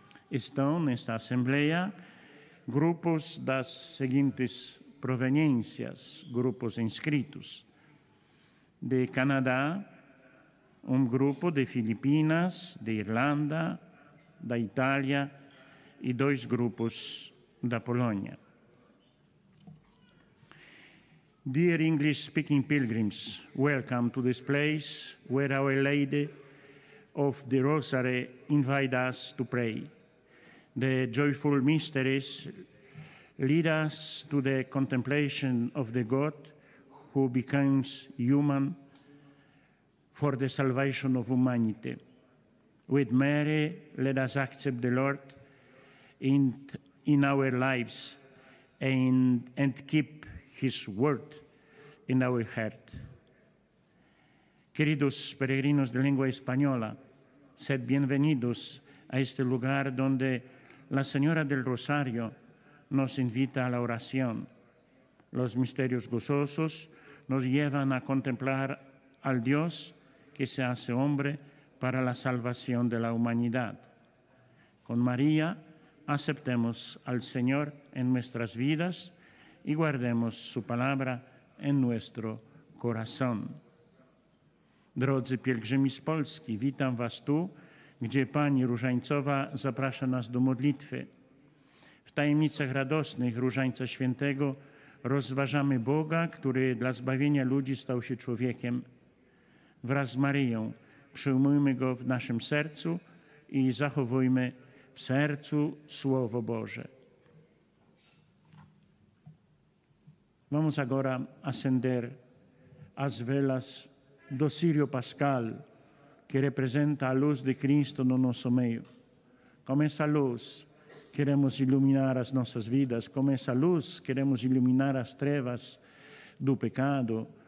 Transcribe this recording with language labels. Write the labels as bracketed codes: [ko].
[pt] Estão nesta assembleia grupos das seguintes proveniências, grupos inscritos. De Canadá, um grupo de Filipinas, de Irlanda, da Itália e dois grupos da Polônia. [en] Dear English-speaking pilgrims, welcome to this place where Our Lady of the Rosary invites us to pray. The joyful mysteries lead us to the contemplation of the God who becomes human for the salvation of humanity. With Mary, let us accept the Lord in our lives and keep His word in our heart. [es] Queridos peregrinos de lengua española, sed bienvenidos a este lugar donde la Señora del Rosario nos invita a la oración. Los misterios gozosos nos llevan a contemplar al Dios que se hace hombre para la salvación de la humanidad. Con María aceptemos al Señor en nuestras vidas y guardemos su palabra en nuestro corazón. [pl] Drodzy pielgrzymi z Polski, witam was tu, gdzie Pani Różańcowa zaprasza nas do modlitwy. W tajemnicach radosnych Różańca Świętego rozważamy Boga, który dla zbawienia ludzi stał się człowiekiem. Wraz z Maryją przyjmujmy Go w naszym sercu i zachowujmy w sercu Słowo Boże. [pt] Vamos agora acender as velas do Círio Pascal, que representa a luz de Cristo no nosso meio. Com essa luz, queremos iluminar as nossas vidas. Com essa luz, queremos iluminar as trevas do pecado.